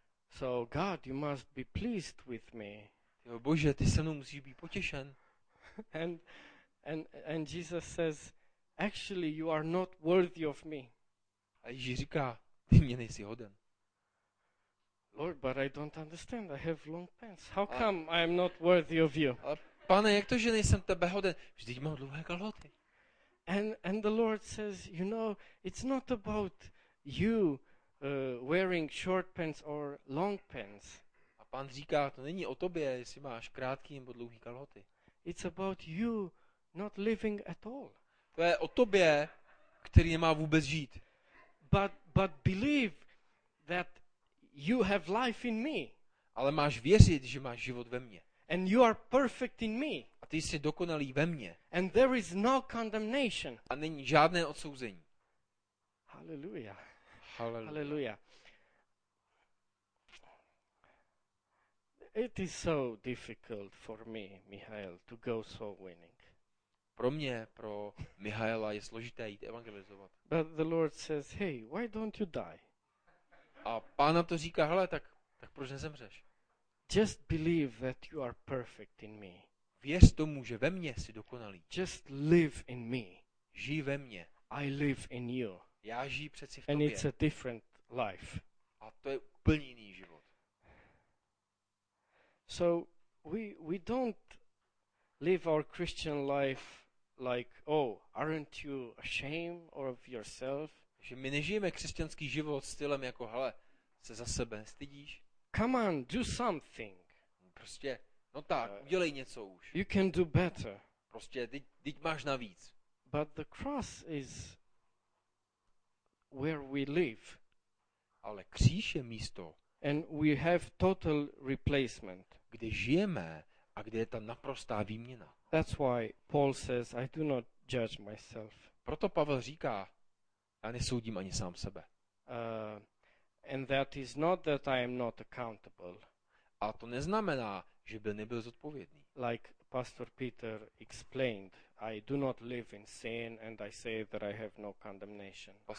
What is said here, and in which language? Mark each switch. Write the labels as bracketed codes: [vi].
[en] So God, you must be pleased with me. [cs] Jo, Bože, ty se mnou musíš být potěšen. [en] And Jesus says, actually you are not worthy of me. [cs] A Ježíš říká, ty mě nejsi hoden. [en] Lord, but I don't understand. I have long pants. How come I am not worthy of you? [cs] Pane, jak to, že nejsem tebe hoden? Vždyť mám dlouhé kalhoty. [en] And the Lord says, you know, it's not about you wearing short pants or long pants. [cs] A pan říká, to není o tobě, jestli máš krátký nebo dlouhý kalhoty. [en] It's about you not living at all. [cs] To je o tobě, který nemá vůbec žít. [en] But believe that you have life in me. [cs] Ale máš věřit, že máš život ve mně. [en] And you are perfect in me. [cs] A ty jsi dokonalý ve mně. [en] And there is no condemnation. [cs] A není žádné odsouzení. [en] Hallelujah. [cs] Hallelujah. [en] Hallelujah. It is so difficult for me, Michael, to go soul winning. [cs] Pro mě, pro Michaela je složité jít evangelizovat. [en] But the Lord says, hey, why don't you die? [cs] A Pána to říká, hele, tak proč nezemřeš? [en] Just believe that you are perfect in me. [cs] Věř tomu, že ve mně jsi dokonalý. [en] Just live in me. [cs] Žij ve mně. [en] I live in you. [cs] Já žiju přeci v tobě. [en] And it's a different life. [cs] A to je úplně jiný život. [en] So we don't live our Christian life like, oh, aren't you ashamed of yourself? [cs] Že my nežijeme křesťanský život stylem jako, hele, se za sebe stydíš? [en] Come on, do something. [cs] Prostě, no tak, udělej něco už. [en] You can do better. [cs] Prostě, teď máš navíc. [en] But the cross is where we live. [cs] Ale kříž je místo. [en] And we have total replacement. [cs] Kde žijeme a kde je ta naprostá výměna. [en] That's why Paul says, I do not judge myself. [cs] Proto Pavel říká, já nesoudím ani sám sebe. [en] And that is not that I am not accountable. [cs] A to neznamená, že by nebyl zodpovědný. [en] Like Pastor Peter explained, I do not live in sin and I say that I have no condemnation.